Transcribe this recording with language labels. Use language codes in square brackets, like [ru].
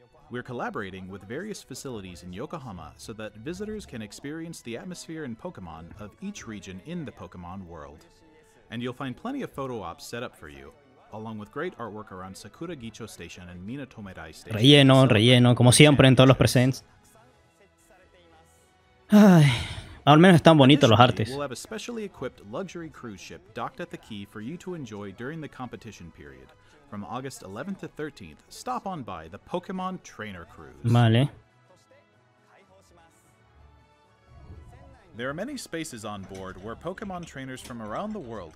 [en] We're collaborating with various facilities in Yokohama so that visitors can experience the atmosphere and Pokémon of each region in the Pokémon world. And you'll find plenty of photo ops set up for you, along with great artwork around Sakura Gicho Station and Minato Mirai Station. [es] Relleno, relleno, como siempre en todos los presents. Ay, al menos están bonitos los artes. [en] We'll have a specially equipped luxury cruise ship docked at the quay for you to enjoy during the competition period. From August 11th to 13th, stop on by the Pokémon Trainer Cruise. [es] Vale. [en] There are many spaces on board where Pokémon trainers from around the world